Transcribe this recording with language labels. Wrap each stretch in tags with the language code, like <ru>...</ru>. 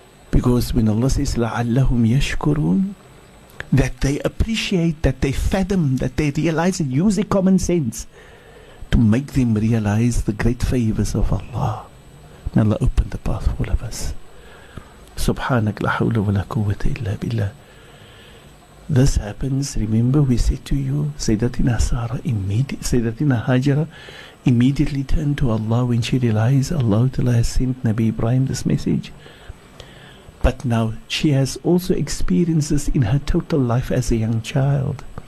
<en>Because when Allah says,</en> <ar>لَعَلَّهُمْ يَشْكُرُونَ,</ar> <en>that they appreciate, that they fathom, that they realize and use their common sense to make them realize the great favors of Allah. May Allah open the path for all of us.</en> <ar>سبحانك لا حول ولا قوة إلا بالله.</ar> <en>This happens, remember we said to you, Sayyidatina Sara, Sayyidatina Hajra immediately turned to Allah when she realized Allah has sent Nabi Ibrahim this message. But now she has also experienced this in her total life as a young child.</en>